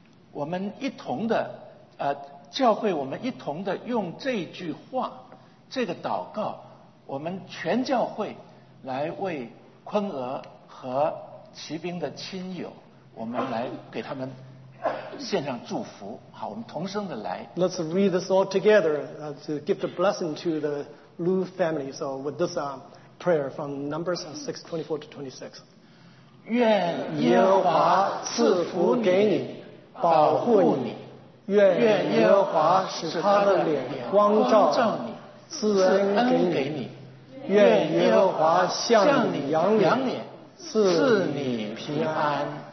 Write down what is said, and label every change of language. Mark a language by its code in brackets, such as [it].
[zh] 我们一同的教会，我们一同的用这句话，这个祷告，我们全教会来为坤娥和骑兵的亲友，我们来给他们献上祝福。好，我们同声的来。 [en] Let's read this all together, to give the blessing to the Lu family. So with this prayer from Numbers 6:24-26. [zh] 愿耶和华赐福给你，保护你。愿耶和华使他的脸光照你，赐恩给你。愿耶和华向你扬脸，赐你平安。